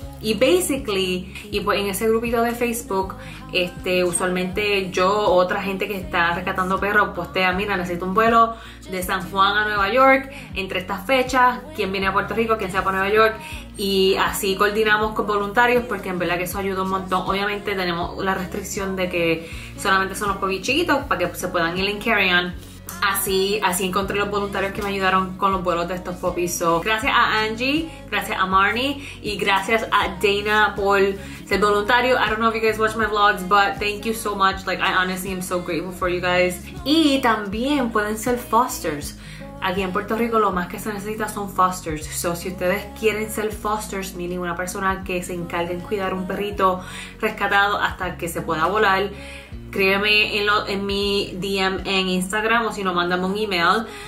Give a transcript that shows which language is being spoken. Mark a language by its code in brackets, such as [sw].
[es] Y basically, y pues en ese grupito de Facebook, usualmente yo o otra gente que está rescatando perros postea, mira, necesito un vuelo de San Juan a Nueva York entre estas fechas, quién viene a Puerto Rico, quién sea para Nueva York, y así coordinamos con voluntarios, porque en verdad que eso ayuda un montón. Obviamente tenemos la restricción de que solamente son los poquitos chiquitos para que se puedan ir en carry-on. Así encontré los voluntarios que me ayudaron con los vuelos de estos puppies. So, gracias a Angie, gracias a Marnie y gracias a Dana por ser voluntario. [en] I don't know if you guys watch my vlogs, but thank you so much. Like, I honestly am so grateful for you guys. [es] Y también pueden ser fosters. Aquí en Puerto Rico lo más que se necesita son fosters. So, si ustedes quieren ser fosters, meaning una persona que se encargue en cuidar un perrito rescatado hasta que se pueda volar, escríbeme en mi DM en Instagram, o si no, mándame un email.